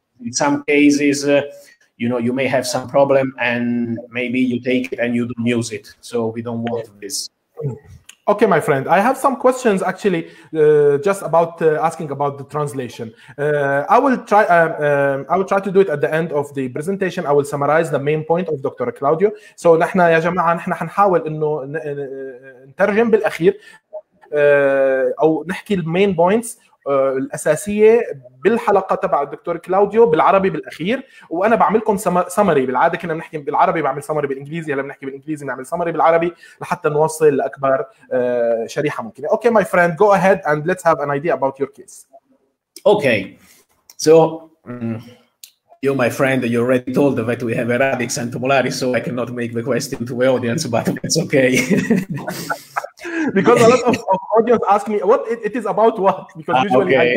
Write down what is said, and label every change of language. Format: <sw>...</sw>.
<en>In some cases, you know, you may have some problem and maybe you take it and you don't use it. So we don't want this. Okay, my friend, I have some questions actually just about asking about the translation. I will try to do it at the end of the presentation. I will summarize the main point of Dr. Claudio. So</en> <ar>نحن يا جماعة نحن حنحاول إنه نترجم بالأخير أو نحكي</ar> <en>the main points</en> <ar>الأساسية بالحلقة تبع الدكتور كلاوديو بالعربي بالأخير، وأنا بعملكم سمري. بالعادة كنا بنحكي بالعربي بعمل سمري بالإنجليزي، هلا بنحكي بالإنجليزي بنعمل سمري بالعربي لحتى نوصل لأكبر شريحة ممكنة.</ar> <en>Okay, my friend, go ahead and let's have an idea about your case. Okay, so you, my friend, you already told that we have a radix and two molaris, so I cannot make the question to the audience, but it's okay. Because a lot of audience ask me what it is about, what, because usually okay.</en>